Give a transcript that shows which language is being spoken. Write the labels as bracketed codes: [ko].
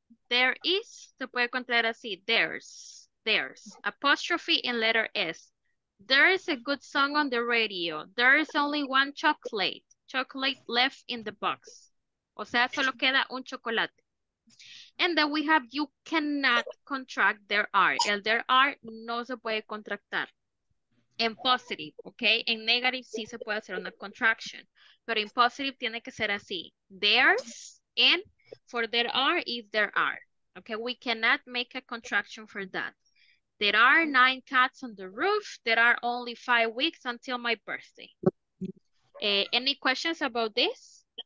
[en] There is, [es] se puede contraer así, [en] there's, apostrophe in letter S. There is a good song on the radio. There is only 1 chocolate left in the box. [es] O sea, solo queda un chocolate. [en] And then we have, you cannot contract there are. [es] El there are no se puede contractar. En positive, okay? En negative sí se puede hacer una contraction. Pero en positive tiene que ser así. [en] There's and for there are, if there are. Okay, we cannot make a contraction for that. There are 9 cats on the roof. There are only 5 weeks until my birthday. Any questions about this?